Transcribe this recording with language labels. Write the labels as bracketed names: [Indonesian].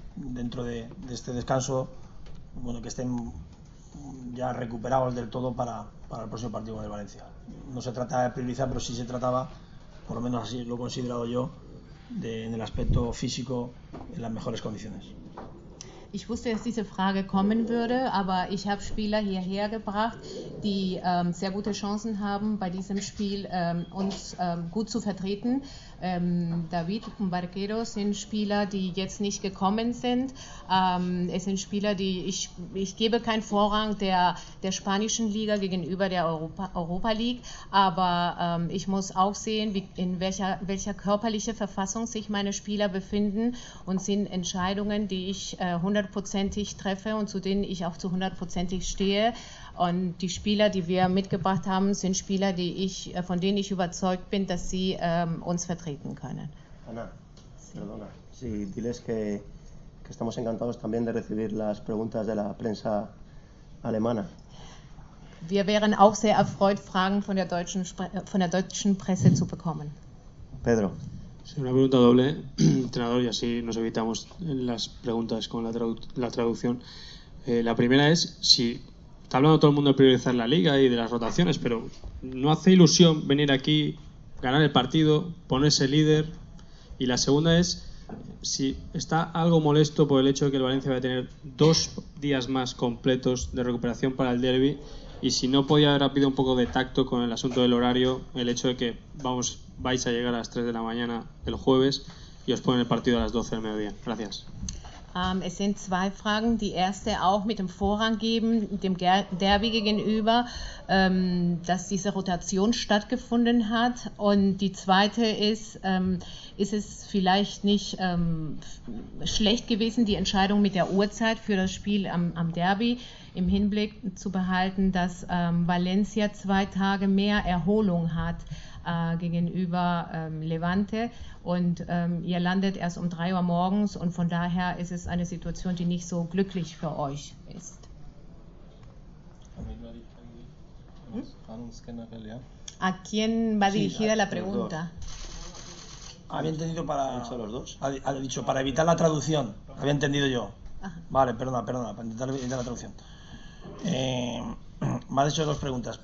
[Spanish] Dentro de este descanso, bueno, que estén ya recuperados del todo para el próximo partido con el Valencia. No se trata de priorizar, pero sí se trataba, por lo menos así lo he considerado yo, en el aspecto físico, en las mejores condiciones. [German] Ich wusste, dass diese Frage kommen würde, aber ich habe Spieler hierher gebracht, die sehr gute Chancen haben, bei diesem Spiel uns gut zu vertreten. David und Barquero sind Spieler, die jetzt nicht gekommen sind. Es sind Spieler, die ich gebe keinen Vorrang der spanischen Liga gegenüber der Europa League. Aber ich muss auch sehen, in welcher körperlichen Verfassung sich meine Spieler befinden, und sind Entscheidungen, die ich hundertprozentig treffe und zu denen ich auch zu hundertprozentig stehe. Und die Spieler, die wir mitgebracht haben, sind Spieler, von denen ich überzeugt bin, dass sie uns vertreten können. [Spanish] Anna, perdona. Sí, diles que estamos encantados también de recibir las preguntas de la prensa alemana. [German] Wir wären auch sehr erfreut, Fragen von der deutschen Presse zu bekommen. [Spanish] Pedro. Sí, una pregunta doble, entrenador, y así nos evitamos las preguntas con la traducción. La primera es, si está hablando todo el mundo de priorizar la liga y de las rotaciones, pero ¿no hace ilusión venir aquí, ganar el partido, ponerse líder? Y la segunda es, si está algo molesto por el hecho de que el Valencia va a tener 2 días más completos de recuperación para el derbi, y si no podía haber habido un poco de tacto con el asunto del horario, el hecho de que vais a llegar a las 3 de la mañana el jueves y os ponen el partido a las 12 del mediodía. Gracias. [German] Es sind 2 Fragen. Die erste auch mit dem Vorrang geben, dem Derby gegenüber, dass diese Rotation stattgefunden hat. Und die zweite ist, ist es vielleicht nicht schlecht gewesen, die Entscheidung mit der Uhrzeit für das Spiel am Derby im Hinblick zu behalten, dass Valencia 2 Tage mehr Erholung hat gegenüber Levante, und ihr landet erst um 3 Uhr morgens, und von daher ist es eine Situation, die nicht so glücklich für euch ist. [Spanish] ¿A quién va dirigida la pregunta? Había entendido para... Ha dicho para evitar la traducción. Había entendido yo. Ajá. Vale, perdona, para intentar evitar la traducción. Me has hecho 2 preguntas.